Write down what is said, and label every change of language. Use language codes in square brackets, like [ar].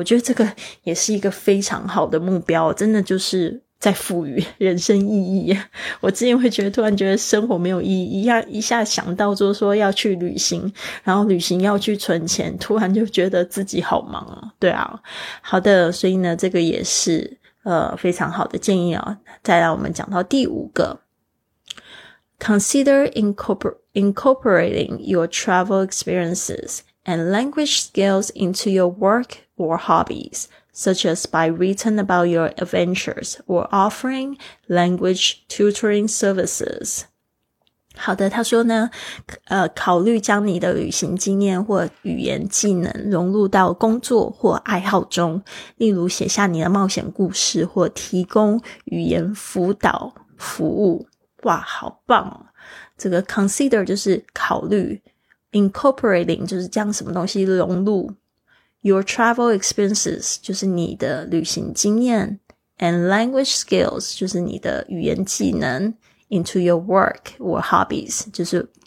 [zh] 我觉得这个也是一个非常好的目标，真的就是在赋予人生意义。我之前会觉得突然觉得生活没有意义，一下想到就是说要去旅行，然后旅行要去存钱，突然就觉得自己好忙哦。对啊，好的，所以呢这个也是非常好的建议哦。再来我们讲到第五个， [en] Consider incorporating your travel experiences and language skills into your work or hobbies,such as by writing about your adventures or offering language tutoring services. [zh] 好的，他说呢，考虑将你的旅行经验或语言技能融入到工作或爱好中，例如写下你的冒险故事或提供语言辅导服务。哇，好棒哦！这个 consider 就是考虑， incorporating 就是将什么东西融入， [en] Your travel experiences [zh] 就是你的旅行经验， [en] and language skills [zh] 就是你的语言技能， [en] into your work or hobbies [zh] 就是